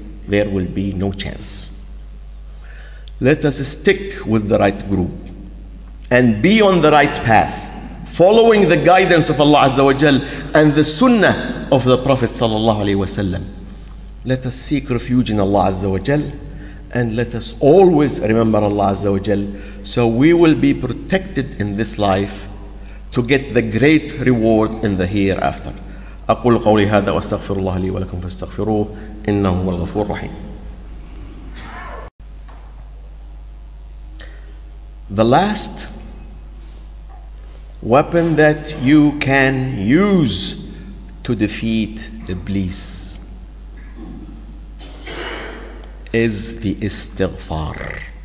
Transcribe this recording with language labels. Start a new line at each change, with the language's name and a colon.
English: There will be no chance. Let us stick with the right group and be on the right path, following the guidance of Allah Azza wa Jal and the Sunnah of the Prophet Sallallahu Alaihi Wasallam. Let us seek refuge in Allah Azza wa Jal And let us always remember Allah Azza wa Jal, so we will be protected in this life to get the great reward in the hereafter.
Arabic: أقول قولي هذا وأستغفر الله لي ولكم فاستغفروه إنه هو الغفور الرحيم.
English: The last weapon that you can use to defeat Iblis is the istighfar.